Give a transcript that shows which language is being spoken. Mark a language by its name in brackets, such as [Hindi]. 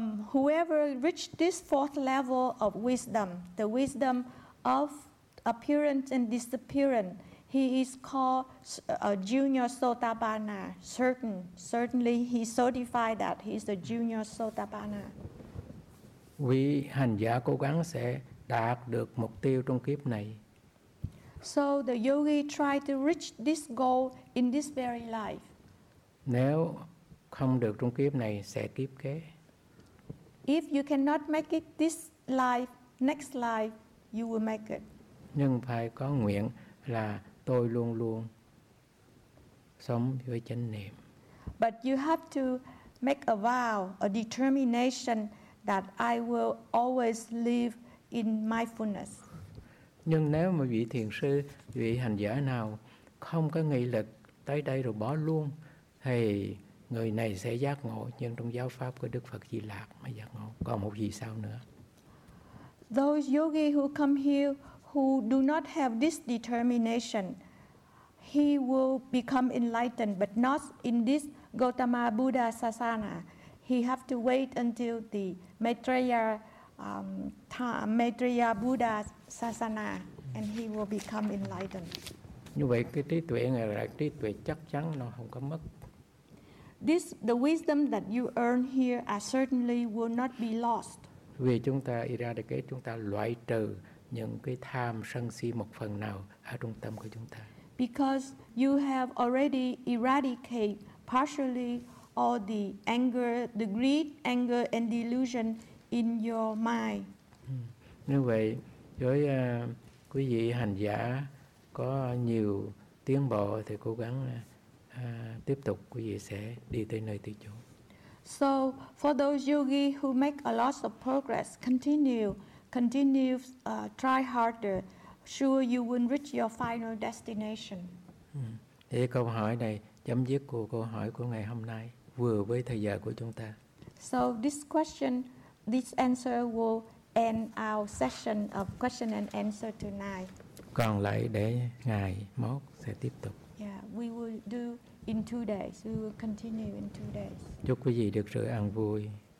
[English] Whoever reached this fourth level of wisdom, the wisdom of appearance and disappearance, he is called a junior sotapanna. Certainly he certified that he is a junior sotapanna. [Vietnamese] Vị hành giả cố gắng sẽ đạt được mục tiêu trong kiếp này. [English] So the yogi try to reach this goal in this very life. [Vietnamese] Nếu không được trong kiếp này, sẽ kiếp kế. [English] If you cannot make it this life, next life, you will make it. [Vietnamese] Nhưng phải có nguyện là tôi luôn luôn sống với chánh niệm. [English] But you have to make a vow, a determination that I will always live in mindfulness. [Vietnamese] Nhưng nếu mà vị thiền sư, vị hành giả nào không có nghị lực tới đây rồi bỏ luôn thì người này sẽ giác ngộ, nhưng trong giáo pháp của Đức Phật Di Lặc mới giác ngộ. Còn một gì sau nữa? [English] Those yogi who come here who do not have this determination, he will become enlightened, but not in this Gautama Buddha Sasana. He have to wait until the Maitreya Maitreya Buddha Sasana, and he will become enlightened. [Vietnamese] Như vậy cái trí tuệ này là trí tuệ chắc chắn, nó không có mất. [English] This the wisdom that you earn here are certainly will not be lost. [Vietnamese] Vì chúng ta Iradake, chúng ta loại trừ những cái tham sân si một phần nào ở trung tâm của chúng ta. [English] Because you have already eradicate partially all the anger, the greed, anger and delusion in your mind. [Vietnamese] Như vậy với quý vị hành giả có nhiều tiến bộ thì cố gắng tiếp tục, quý vị sẽ đi tới nơi tự chủ. [English] So for those yogi who make a lot of progress, continue try harder, sure you will reach your final destination. [Vietnamese] Thì câu hỏi này chấm dứt của câu hỏi của ngày hôm nay vừa với thời giờ của chúng ta. [English] So this answer will end our session of question and answer tonight. [Vietnamese] Còn lại để ngày mốt sẽ tiếp tục. [English] Yeah, we will do in 2 days. We will continue in 2 days. [Vietnamese] Chúc quý vị được sự an vui.